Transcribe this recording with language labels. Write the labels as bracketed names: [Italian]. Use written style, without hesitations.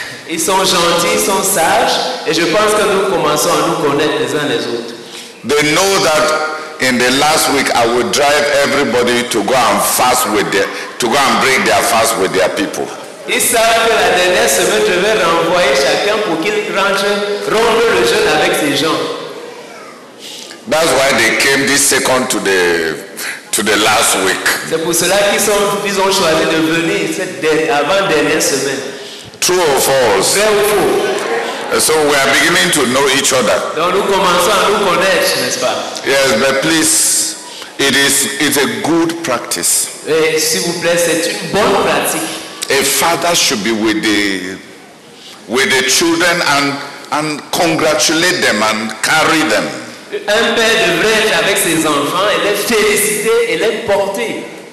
[French] Ils sont gentils, ils sont sages, et je pense que nous commençons à nous connaître les uns les autres. [English] They know that in the last week I would drive everybody to go and fast with their, to go and break their fast with their people. [French] Ils savent que la dernière semaine je vais renvoyer chacun pour qu'il rompe le jeûne avec ses gens. [English] That's why they came this second to the last week. [French] C'est pour cela qu'ils ont choisi de venir cette avant dernière semaine. [English] True or false? So we are beginning to know each other. [French] Donc nous commençons à nous connaître, n'est-ce pas? [English] Yes, but please, it's a good practice. [French] Et s'il vous plaît, c'est une bonne pratique. [English] A father should be with the children and congratulate them and carry them. [French] Un père devrait être avec ses enfants et les féliciter et les porter.